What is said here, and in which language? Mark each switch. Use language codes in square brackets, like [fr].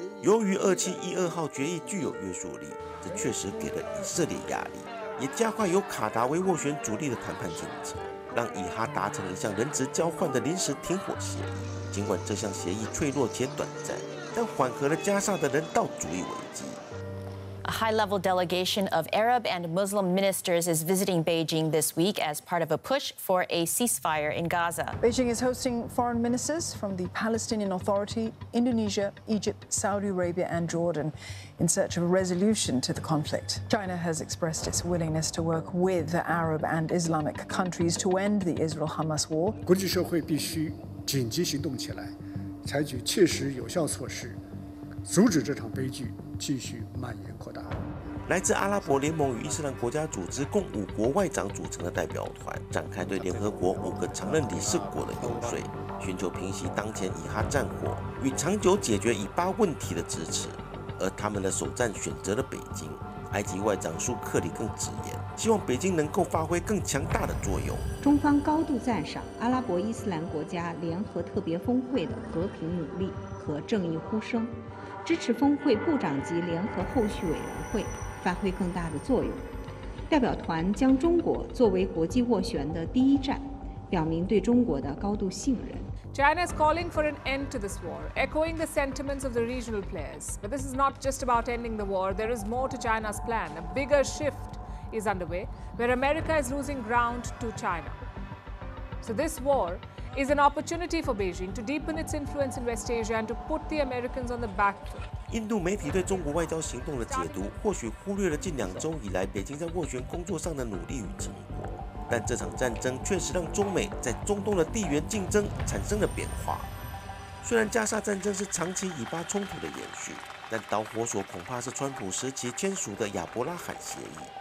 [zh] 由于2712号决议具有约束力，这确实给了以色列压力，也加快由卡达为斡旋主力的谈判进程，让以哈达成了一项人质交换的临时停火协议。尽管这项协议脆弱且短暂，但缓和了加沙的人道主义危机。 [en] A high-level delegation of Arab and Muslim ministers is visiting Beijing this week as part of a push for a ceasefire in Gaza. Beijing is hosting foreign ministers from the Palestinian Authority, Indonesia, Egypt, Saudi Arabia, and Jordan in search of a resolution to the conflict. China has expressed its willingness to work with the Arab and Islamic countries to end the Israel-Hamas war. [zh] 国际社会必须紧急行动起来，采取切实有效措施，阻止这场悲剧继续蔓延扩大。来自阿拉伯联盟与伊斯兰国家组织共五国外长组成的代表团展开对联合国五个常任理事国的游说，寻求平息当前以哈战火与长久解决以巴问题的支持，而他们的首站选择了北京。埃及外长舒克里更直言，希望北京能够发挥更强大的作用。中方高度赞赏阿拉伯伊斯兰国家联合特别峰会的和平努力和正义呼声，支持峰会部长级联合后续委员会发挥更大的作用。代表团将中国作为国际斡旋的第一站，表明对中国的高度信任。 [en] China is calling for an end to this war, echoing the sentiments of the regional players. But this is not just about ending the war. There is more to China's plan. A bigger shift is underway, where America is losing ground to China. So this war is an opportunity for Beijing to deepen its influence in West Asia and to put the Americans on the back foot. [zh] 印度媒体对中国外交行动的解读，或许忽略了近两周以来北京在斡旋工作上的努力与成果。但这场战争确实让中美在中东的地缘竞争产生了变化。虽然加沙战争是长期以巴冲突的延续，但导火索恐怕是川普时期签署的亚伯拉罕协议。